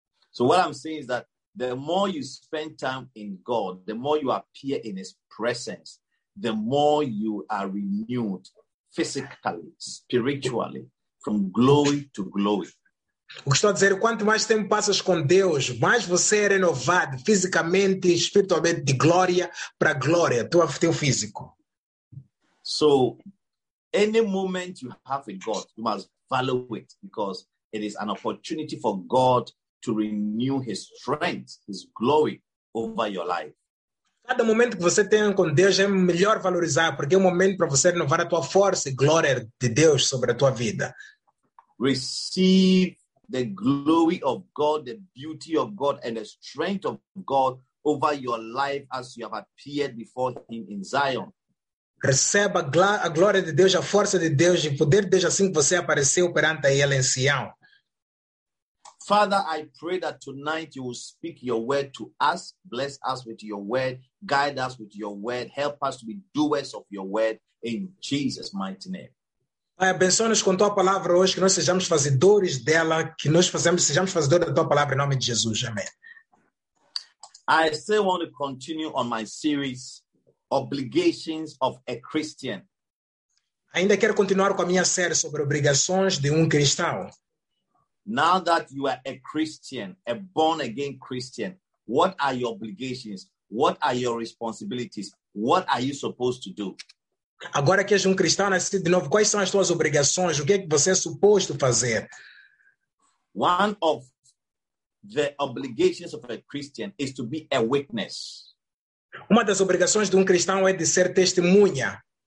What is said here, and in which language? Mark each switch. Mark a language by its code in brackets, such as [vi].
[en] So what I'm saying is that the more you spend time in God, the more you appear in his presence, the more you are renewed physically, spiritually, from glory to glory. [pt] O que estou a dizer, quanto mais tempo passas com Deus, mais você é renovado fisicamente e espiritualmente de glória para glória, teu físico. [en] So any moment you have with God, you must value it because it is an opportunity for God to renew his strength, his glory over your life. [pt] Cada momento que você tem com Deus é melhor valorizar, porque é um momento para você renovar a tua força e glória de Deus sobre a tua vida. [en] Receive the glory of God, the beauty of God, and the strength of God over your life as you have appeared before him in Zion. [pt] Receba a glória de Deus, a força de Deus e o poder de Deus assim que você apareceu perante a ele em Sião. [en] Father, I pray that tonight you will speak your word to us, bless us with your word, guide us with your word, help us to be doers of your word in Jesus' mighty name. [pt] Pai, abençoa-nos com tua palavra hoje, que nós sejamos fazedores dela, que nós sejamos fazedores da tua palavra em nome de Jesus. Amém. [en] I still want to continue on my series Obligations of a Christian. [pt] Ainda quero continuar com a minha série sobre obrigações de cristão. [en] Now that you are a Christian, a born again Christian, what are your obligations? What are your responsibilities? What are you supposed to do? [pt] Agora que és cristão nascido de novo, quais são as tuas obrigações? O que é que você é suposto fazer? [en] One of the obligations of a Christian is to be a witness. [pt] Uma das obrigações de cristão é de ser testemunha.